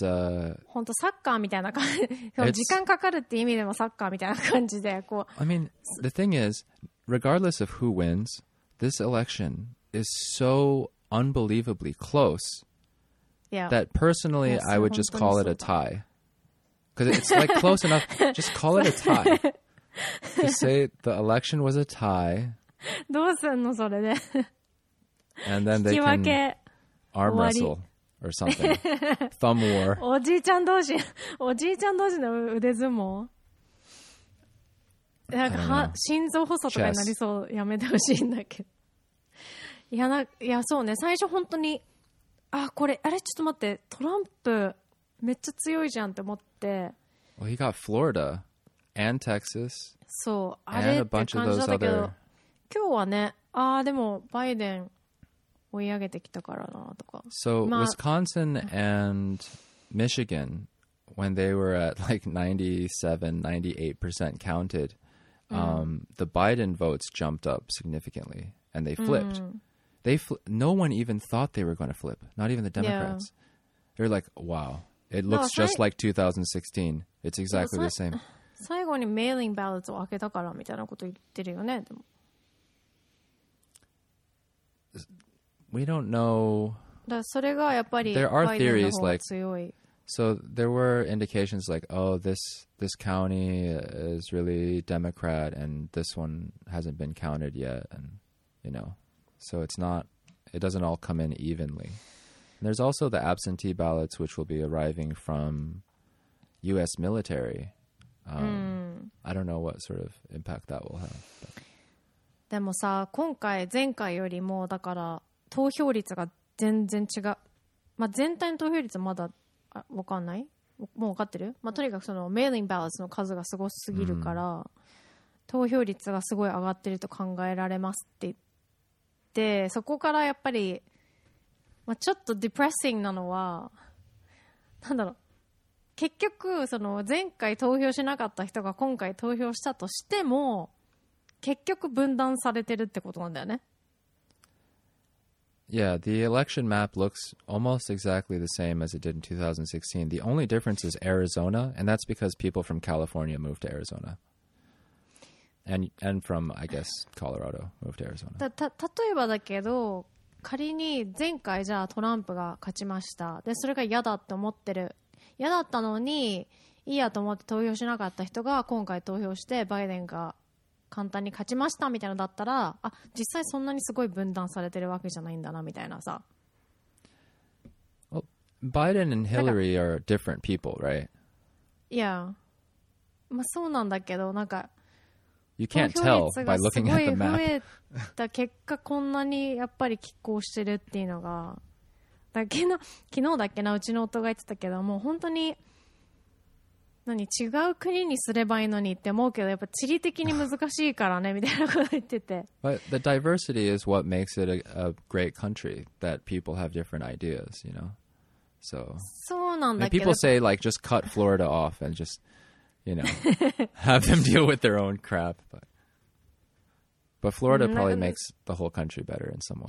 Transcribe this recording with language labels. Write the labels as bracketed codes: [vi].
[ja] 本当サッカーみたいな感じ、時間かかるって意味でもサッカーみたいな感じでこう。 [en] I mean, the thing is, regardless of who wins, this election is so unbelievably close yeah. that personally, yes, I would just call it a tie. Because it's like close enough. Just call it a tie. To say the election was a tie. [ja] どうすんのそれで? [en] And then they can arm wrestle or something. Thumb war. [ja] おじいちゃん同士。おじいちゃん同士の腕相撲。なんか心臓細とかになりそうやめてほしいんだけど。いやな、いやそうね。最初本当に、あ、これ、あれちょっと待って、トランプめっちゃ強いじゃんって思って。 [en] Well, he got Florida and Texas. [ja] そう、あれって感じだったけど、今日はね、あ、でもバイデン追い上げてきたからなとか。 [en] So、まあ、Wisconsin and Michigan. When they were at like 97-98% counted,、the Biden votes jumped up significantly and they flipped.、No one even thought they were going to flip, not even the Democrats.、Yeah. They're like, wow, it looks just like 2016. It's exactly the same. [ja] 最後にメーリングバレットを開けたからみたいなこと言ってるよね。でも。 [en] We don't know. [ja] だからそれがやっぱりバイデンの方が強い。 [en] So there were indications like, oh, this county is really Democrat and this one hasn't been counted yet. And, you know, so it doesn't all come in evenly. And there's also the absentee ballots, which will be arriving from U.S. military. I don't know what sort of impact that will have. [ja] でもさ、今回、前回よりもだから投票率が全然違う。まあ全体の投票率はまだ。わかんない？もうわかってる？まあ、とにかくそのメーリングバレットの数がすごすぎるから、投票率がすごい上がってると考えられますって言って、そこからやっぱり、まあ、ちょっとディプレッシングなのは、なんだろう、結局その前回投票しなかった人が今回投票したとしても、結局分断されてるってことなんだよね。 [en] Yeah, the election map looks almost exactly the same as it did in 2016. The only difference is Arizona, and that's because people from California moved to Arizona. And from, I guess, Colorado moved to Arizona. [ja] 例えばだけど、仮に前回じゃあトランプが勝ちました。で、それが嫌だって思ってる。嫌だったのに、いいやと思って投票しなかった人が今回投票してバイデンが簡単に勝ちましたみたいなだったら、あ、実際そんなにすごい分断されてるわけじゃないんだなみたいなさ。 [en] Well, Biden and Hillary are different people, right? Yeah. [ja] まあそうなんだけど、なんか [en] You can't tell by looking at the map. [ja] 増えた結果こんなにやっぱり拮抗してるっていうのが、だけな昨日だっけな、うちの夫が言ってたけど、もう本当に何違う国にすればいいのにって思うけど、やっぱ地理的に難しいからねみたいなこと言ってて。 [en] But the diversity is what makes it a great country that people have different ideas, you know. So. [ja] そうなんだけど。 [en] People say like just cut Florida off and just, you know, have them deal with their own crap. But Florida probably makes the whole country better in some way.